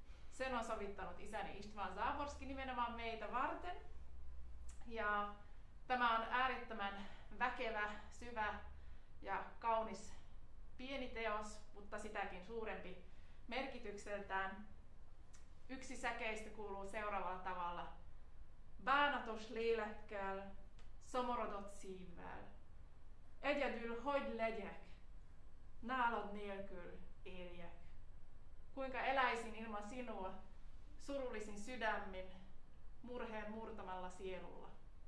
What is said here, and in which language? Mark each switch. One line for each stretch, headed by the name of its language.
Finnish: Sen on sovittanut isäni István Záborský nimenomaan meitä varten. Ja tämä on äärettömän väkevä, syvä ja kaunis pieni teos, mutta sitäkin suurempi merkitykseltään. Yksi säkeistä kuuluu seuraavalla tavalla.
Hungarian: Bánatos lélekkel, szomorodott szívvel. Egyedül hogy legyek, nálad nélkül éljek.
Finnish: Kuinka eläisin ilman sinua, surullisin sydämin, murheen murtamalla sielulla.